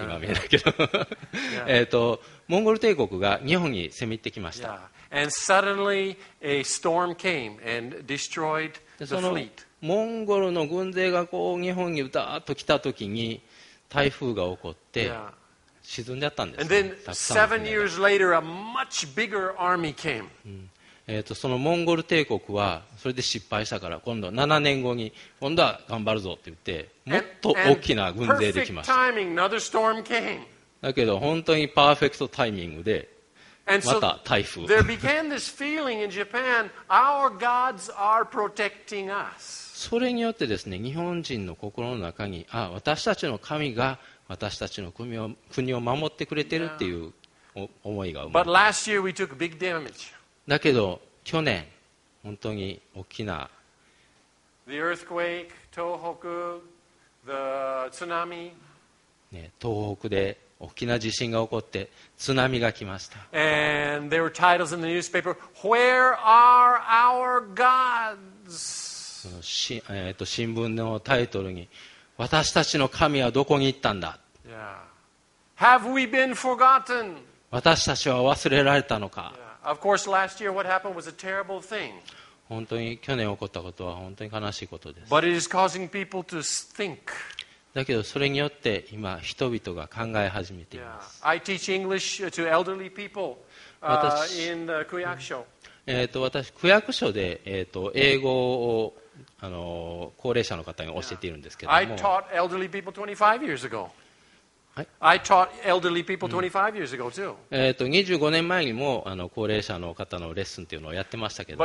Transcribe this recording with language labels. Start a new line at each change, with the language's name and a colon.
Japanese: 今見えないけど、モンゴル帝国が日本に攻め入ってきました。
English: Yeah. And suddenly a storm came and destroyed the fleet.
Japanese: モンゴルの軍勢がこう日本にダーッと来たときに。台風が起こって沈んじゃったんです、ね。
English: And then seven years later, a much bigger army came.
Japanese: そのモンゴル帝国はそれで失敗したから、今度7年後に今度は頑張るぞって言って、もっと大きな軍勢できました。
English: Perfect timing, another storm came.
Japanese: だけど本当にパーフェクトタイミングでまた台風。
English: There began this feeling in Japan, our gods are protecting us.
Japanese: それによってですね、日本人の心の中に、あ、私たちの神が私たちの国を守ってくれてるっていう思いが生まれた。
English: But last year we took big damage.
Japanese: だけど去年本当に大きな
English: The earthquake, 東北, the tsunami.
Japanese: ね、東北で大きな地震が起こって津波が来ました。
English: And there were titles in the newspaper, Where are our gods?
Japanese: 新聞のタイトルに私たちの神はどこに行ったんだ、
English: yeah. Have we been forgotten?
Japanese: 私たちは忘れられたのか、
English: yeah. Of course, last year what happened was a terrible thing.
Japanese: 本当に去年起こったことは本当に悲しいことです。
English: But it is causing people to think.
Japanese: だけどそれによって今人々が考え始めています。
English: Yeah. I teach English to elderly people, in the 区役所。
Japanese: 私区役所で、英語を高齢者の方に教えているんですけども。
English: I taught elderly people 25 years ago. I taught elderly people 25 years ago too.
Japanese: 25年前にも高齢者の方のレッスンというのをやってましたけども。